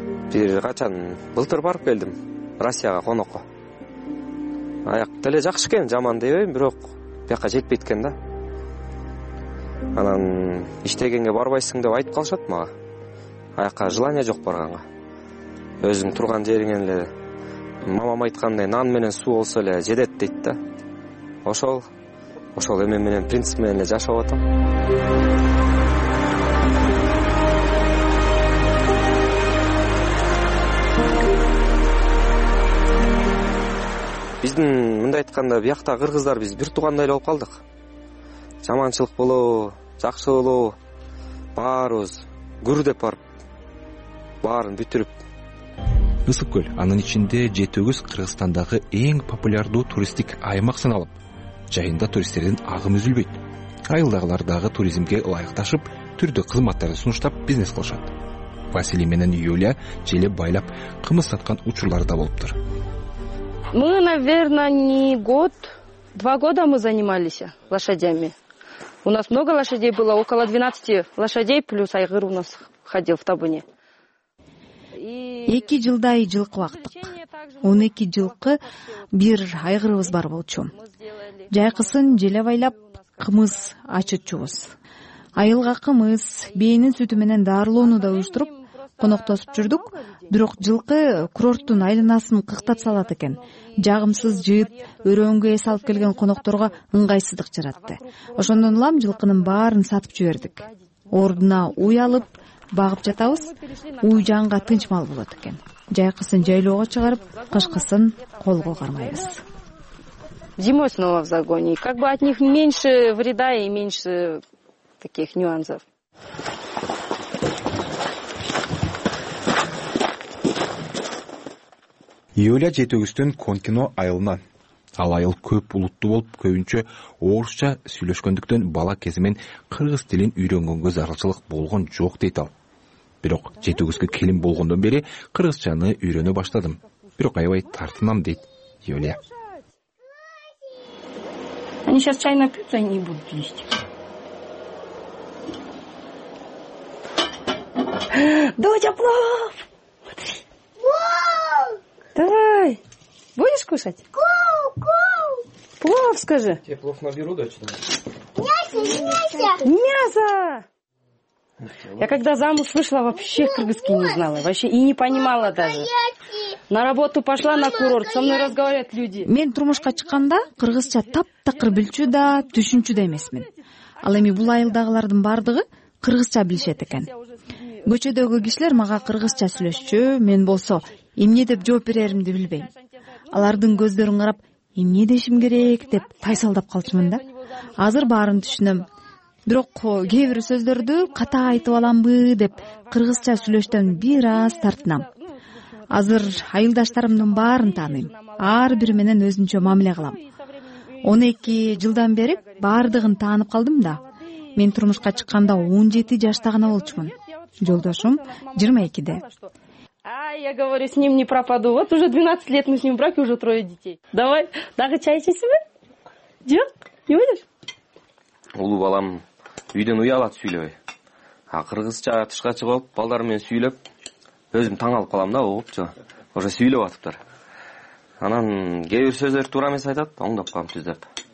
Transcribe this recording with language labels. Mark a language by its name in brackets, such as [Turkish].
[Kyrgyz] Бир качан былтыр барып келдим Россияга конокко. Аяк деле жакшы экен, жаман дебейм, бирок бияка жетпейт экен да. Анан иштегенге барбайсың деп айтып калышат мага. Аякка желание жок барганга. Өзүң турган жериңен эле мамам айткандай нан менен суу болсо эле жетет дейт да. Ошол эме менен, принцип менен эле жашап атам. Биздин мындай айтканда биякта кыргыздар биз бир туугандай эле болуп калдык. Жаманчылык болобу, жакшы болобу, баарыбыз күр деп барып баарын бүтүрүп Ысык-көл анын ичинде жетөгүз Кыргызстандагы эң популярдуу туристтик аймак саналып, жайында туристтердин агымы үзүлбөйт. Айылдагылар дагы туризмге ылайыкташып, түрдүү кызматтарды сунуштап бизнес кылышат. Василий менен Юлия желе байлап кымыз саткан учурларда болуптур. [Russian] Мы, наверное, не год, два года мы занимались лошадями. У нас много лошадей было, около 12 лошадей, плюс айгыр у нас ходил в табуне. [Kyrgyz] 2 жылдай жылкы бактык. 12 жылкы бир айгырыбыз бар болчу. Жайкысын желе байлап кымыз ачытчубуз. Айылга кымыз, бейинин сүтү менен дарылоону да уюштуруп, коноктосуп жүрдүк, бирок жылкы курорттун айланасын кыктап салат экен. Жагымсыз жыйыт өрөөнгө эс алып келген конокторго ыңгайсыздык жаратты. Ошондон улам жылкынын баарын сатып жибердик. Ордуна уй алып, багып жатабыз. Уй жанга тынч мал болот экен. Жайкысын жайлоого чыгарып, кышкысын колго кармайбыз. [Russian] Зимой снова в загоне. Как бы от них меньше вреда и меньше таких нюансов. [Kyrgyz] Юля жетөгүздүн Конкино айылынан. Ал айыл көп улуттуу болуп, көбүнчө орусча сүйлөшкөндүктөн бала кезинен кыргыз тилин үйрөнгөнгө зарылчылык болгон жок дейт ал. Бирок жетөгүзгө келин болгондон бери кыргызчаны үйрөнө баштадым. Бирок аябай тартынам дейт Юля. [Russian] Они сейчас чай напьются, они будут есть. Доча, плов! Плов! Давай! Будешь кушать? Кул, кул! Плов, скажи! Тебе плов наберу, дочь? Мясо, мясо! Мясо! Я когда замуж вышла, вообще кыргызский не знала. Вообще и не понимала даже. На работу пошла на курорт, со мной разговаривают люди. [Kyrgyz] Мен турмушка чыкканда кыргызча таптакыр билчү да, түшүнчү да эмесмин. Ал эми бул айылдагылардын бардыгы кыргызча билишет экен. Көчөдөгү кишилер мага кыргызча сүйлөшчү, мен болсо эмне деп жооп берерimdi билбейм. Алардын көздөрүн карап, эмне дешим керек деп тайсалдап калчумун да. Азыр баарын түшүнөм. Бирок кээ бир сөздөрдү ката айтып аламбы деп кыргызча сүйлөштөн бир аз тартынам. Азыр айылдаштарымдын баарын тааныйм. Ар бири менен өзүнчө мамиле кылам. 12 жылдан бери баардыгын таанып калдым да. Мен турмушка чыкканда 17 жашта гана болчумун. Жолдошум 22'de. [Russian] Ай, я говорю, с ним не пропаду. Вот уже 12 лет мы с ним в браке, уже трое детей. [Kyrgyz] Давай, дагы чай ичесиң бе? Жок, [Russian] не будешь? [Kyrgyz] Улуу балам үйдөн уялат сүйлөбөй. А кыргызча тышка чыгып, балдар менен сүйлөп, өзүм таң алып калам да, угупчу. Уже сүйлөп атыптыр. Анан кээ бир сөздөр туура эмес айтат, оңдоп калам түздөп.